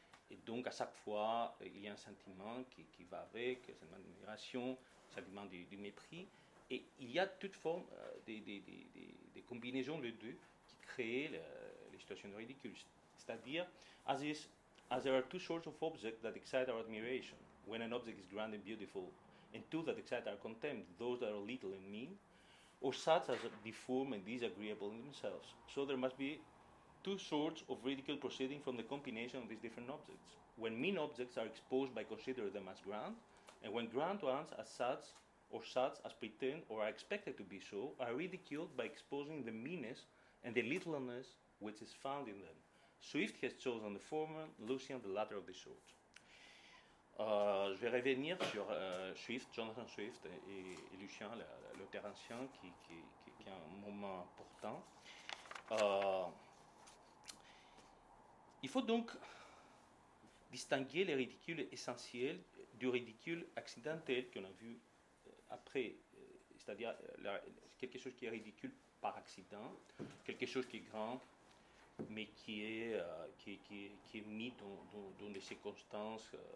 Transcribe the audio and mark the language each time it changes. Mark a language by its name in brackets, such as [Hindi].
[French] Et donc, à chaque fois, il y a un sentiment qui va avec, un sentiment d'admiration, un sentiment du mépris. Et il y a toute forme de combinaisons de deux qui créent les situations de ridicule. C'est-à-dire, [English] as there are two sorts of objects that excite our admiration, when an object is grand and beautiful, and two that excite our contempt, those that are little and mean, or such as are deformed and disagreeable in themselves. So there must be two sorts of ridicule proceeding from the combination of these different objects. When mean objects are exposed by considering them as grand, and when grand ones as such, or such as pretend or are expected to be so, are ridiculed by exposing the meanness and the littleness which is found in them. Swift has chosen the former, Lucian the latter of the sort. [French] Je vais revenir sur Swift, Jonathan Swift et Lucian, l'auteur ancien, qui est un moment important. important. Il faut donc distinguer les ridicules essentiels du ridicule accidentel qu'on a vu après, c'est-à-dire quelque chose qui est ridicule par accident, quelque chose qui est grand, mais qui est mis dans des circonstances